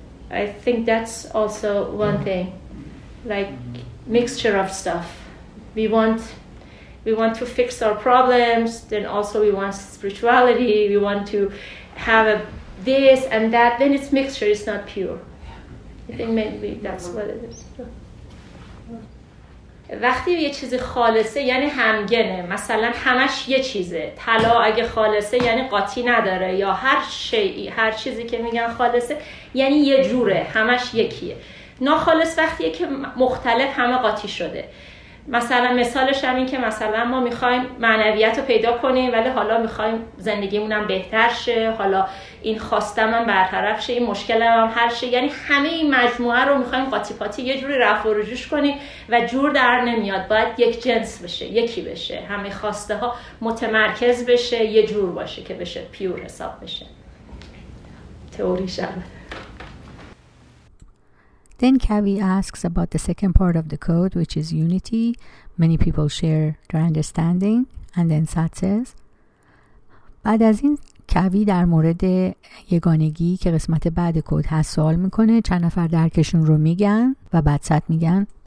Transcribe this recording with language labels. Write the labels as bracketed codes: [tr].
[en] I think that's also one thing, like mixture of stuff. We want to fix our problems, then also we want spirituality, we want to have a this and that, then it's mixture, it's not pure. I think maybe that's what it is. [fa] وقتی یه چیز خالصه یعنی همگنه، مثلا همش یه چیزه. طلا اگه خالصه یعنی قاطی نداره، یا هر چیزی که میگن خالصه یعنی یه جوره، همش یکیه. ناخالص وقتیه که مختلف، همه قاطی شده. مثلا مثالش هم این که مثلا ما میخوایم معنویت رو پیدا کنیم، ولی حالا میخوایم زندگیمونم بهتر شه، حالا این خواستم هم برطرف شه، این مشکلم هم حل شه، یعنی همه این مجموعه رو میخوایم قاطی پاتی یه جوری رفع و رجوش کنیم و جور در نمیاد، باید یک جنس بشه، یکی بشه، همه خواسته ها متمرکز بشه، یه جور باشه که بشه پیور حساب بشه. تئوریش هم [en] Then Kavi asks about the second part of the code, which is unity. Many people share their understanding. And then Sat says, [fa] بعد از این Kavi در مورد یگانگی که قسمت بعد کود هست سوال میکنه، چند نفر درکشون رو میگن و بعد Sat میگن.